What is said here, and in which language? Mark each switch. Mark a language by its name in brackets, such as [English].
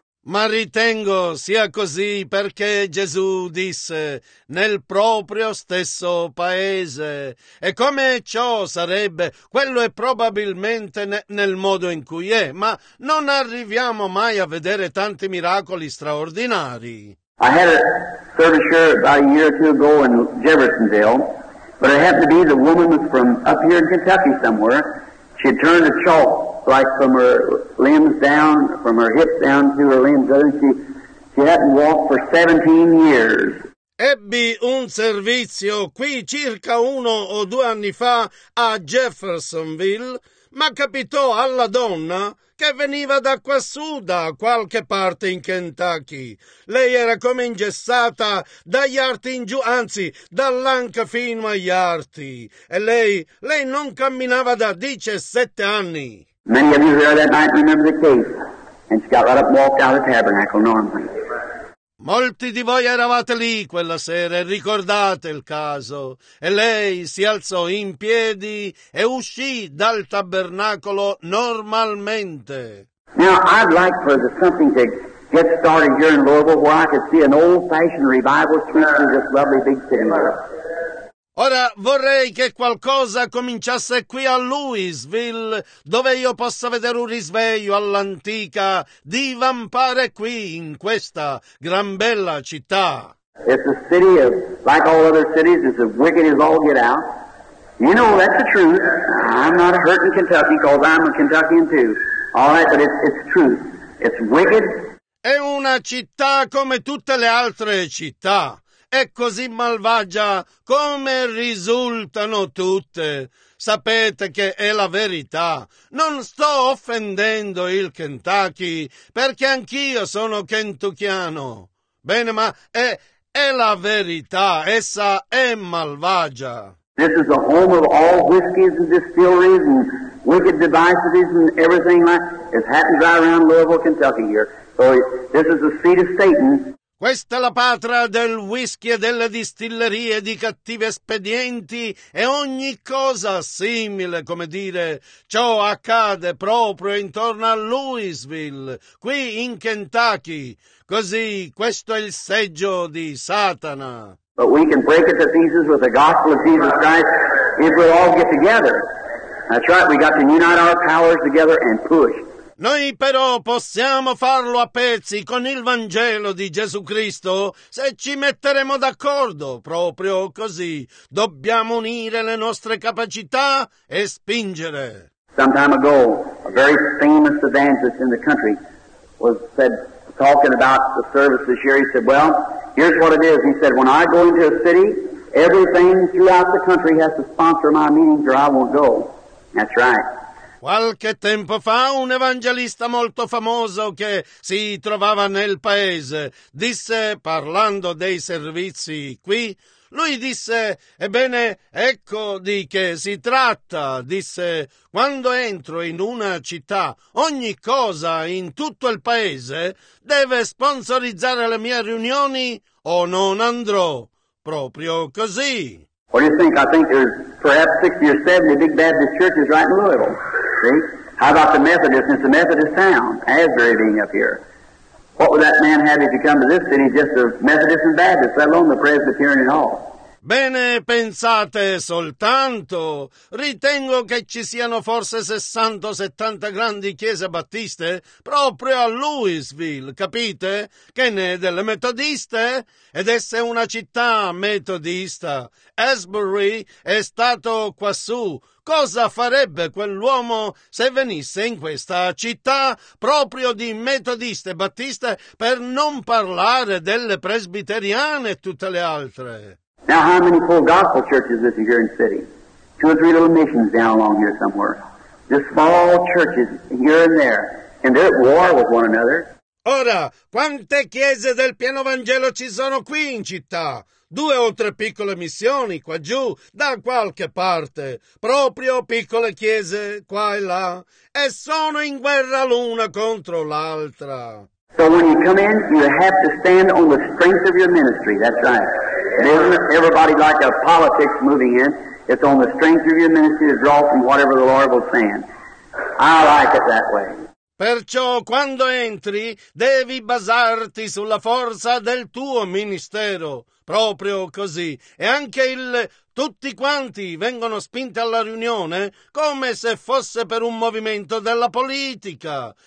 [Italian] Ma ritengo sia così perché Gesù disse nel proprio stesso paese. E come ciò sarebbe, quello è probabilmente nel modo in cui è, ma non arriviamo mai a vedere tanti miracoli straordinari. [English] I had a service here about a year or two ago in Jeffersonville, but it happened to be the woman was from up here in Kentucky somewhere. She turned the chalk, like from her limbs down, from her hips down to her limbs, and she hadn't walked for 17 years. [Italian] Ebbi un servizio qui circa uno o due anni fa a Jeffersonville, ma capitò alla donna che veniva da quassù, da qualche parte in Kentucky. Lei era come ingessata dagli arti in giù, anzi, dall'anca fino agli arti. E lei non camminava da 17 anni. [English] Many of you here that night remember the case. And she got right up and walked out of the tabernacle, Norman. [Italian] Molti di voi eravate lì quella sera e ricordate il caso. E lei si alzò in piedi e uscì dal tabernacolo normalmente. [English] Now, I'd like for something to get started here in Louisville where I could see an old-fashioned revival church in this lovely big city. [Italian] Ora vorrei che qualcosa cominciasse qui a Louisville, dove io possa vedere un risveglio all'antica divampare qui in questa gran bella città. [English] It's a city of, like all other cities, it's as wicked as all get out. You know, that's the truth. I'm not hurting Kentucky because I'm a Kentuckian too. All right, but it's true. It's wicked. [Italian] È una città come tutte le altre città. È così malvagia come risultano tutte. Sapete che è la verità. Non sto offendendo il Kentucky, perché anch'io sono kentuchiano. Bene, ma è la verità. Essa è malvagia. [English] This is the home of all whiskeys and distilleries and wicked devices and everything like that. It happens right around Louisville, Kentucky here. So this is the seat of Satan. [Italian] Questa è la patria del whisky e delle distillerie di cattivi espedienti e ogni cosa simile, come dire, ciò accade proprio intorno a Louisville, qui in Kentucky. Così, questo è il seggio di Satana. [English] But we can break it to pieces with the gospel of Jesus Christ if we all get together. That's right, we got to unite our powers together and push. [Italian] Noi però possiamo farlo a pezzi con il Vangelo di Gesù Cristo se ci metteremo d'accordo, proprio così. Dobbiamo unire le nostre capacità e spingere. [English] Some time ago, a very famous evangelist in the country was said talking about the service this year. He said, well, here's what it is. He said, when I go into a city, everything throughout the country has to sponsor my meetings or I won't go. That's right. [Italian] Qualche tempo fa un evangelista molto famoso che si trovava nel paese disse, parlando dei servizi qui, lui disse, ebbene, ecco di che si tratta, disse, quando entro in una città, ogni cosa in tutto il paese deve sponsorizzare le mie riunioni o non andrò, proprio così. [English] What do you think? I think there's perhaps 60 or 70 big Baptist churches right in Louisville. See? How about the Methodist? It's a Methodist town, Asbury being up here. What would that man have if he come to this city just of Methodist and Baptist, let alone the Presbyterian and all? [Italian] Bene, pensate soltanto. Ritengo che ci siano forse 60 o 70 grandi chiese battiste proprio a Louisville, capite? Che ne è delle metodiste? Ed essa è una città metodista. Asbury è stato quassù. Cosa farebbe quell'uomo se venisse in questa città proprio di metodiste e battiste, per non parlare delle presbiteriane e tutte le altre? [English] Now how many full gospel churches is here in the city? Two or three little missions down along here somewhere. Just small churches here and there. And they're at war with one another. [Italian] Ora, quante chiese del pieno Vangelo ci sono qui in città? Due o tre piccole missioni qua giù, da qualche parte. Proprio piccole chiese qua e là. E sono in guerra l'una contro l'altra. [English] So when you come in, you have to stand on the strength of your ministry. That's right. It isn't everybody like a politics moving in. It's on the strength of your ministry to draw from whatever the Lord will send. I like it that way. [Italian] Perciò, quando entri, devi basarti sulla forza del tuo ministero. Proprio così. E anche il tutti quanti vengono spinti alla riunione come se fosse per un movimento della politica.